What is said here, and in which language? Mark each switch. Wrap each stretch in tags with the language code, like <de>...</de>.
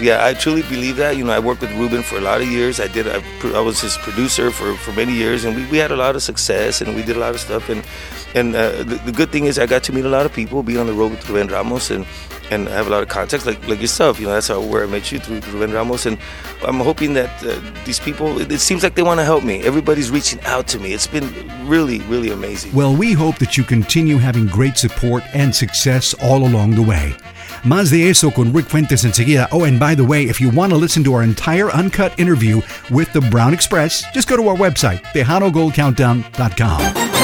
<en>Yeah, I truly believe that. You know, I worked with Ruben for a lot of years. I was his producer for many years, and we had a lot of success, and we did a lot of stuff, and the good thing is I got to meet a lot of people being on the road with Rubén Ramos, and I have a lot of contacts like yourself. You know, that's where I met you, through Rubén Ramos. And I'm hoping that these people, it seems like they want to help me. Everybody's reaching out to me. It's been really, really amazing. Well, we hope that you continue having great support and success all along the way.</en> <es>Más de eso con Rick Fuentes enseguida.</es> <en>Oh, and by the way, if you want to listen to our entire uncut interview with the Brown Express, just go to our website, TejanoGoldCountdown.com.</en>